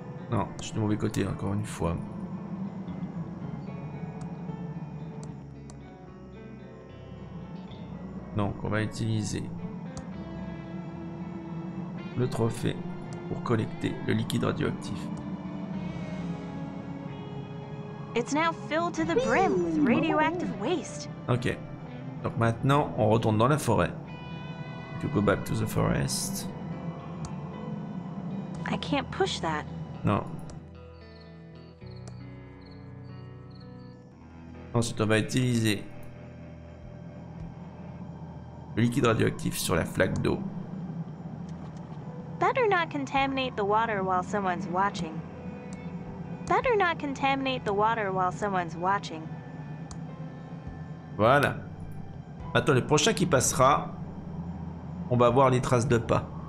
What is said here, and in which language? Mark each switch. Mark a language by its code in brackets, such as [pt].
[fr] Non, je suis de mauvais côté encore une fois. Donc, on va utiliser le trophée pour collecter le liquide radioactif. [en] It's now filled to the brim with radioactive waste. [fr] OK. Donc maintenant, on retourne dans la forêt. [en] You go back to the forest. I can't push that. [fr] Non. Ensuite, on va utiliser le liquide radioactif sur la flaque d'eau. [en] Better not contaminate the water while someone's watching. Better not contaminate the water while someone's watching. [fr] Voilà. Maintenant, le prochain qui passera, on va voir les traces de pas.